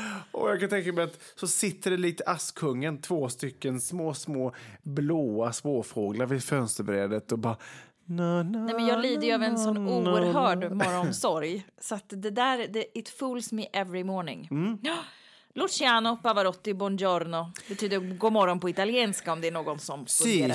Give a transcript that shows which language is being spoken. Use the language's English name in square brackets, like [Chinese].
[Swedish] Och jag kan tänka mig att så sitter det lite Askungen, två stycken små, små blåa småfåglar vid fönsterbrädet och bara... Nej, men jag lider ju av en sån oerhörd morgonsorg. Så att det där, [English] it fools me every morning. Mm. [Italian] Luciano Pavarotti, buongiorno. [Swedish] Betyder god morgon på italienska om det är någon som funderar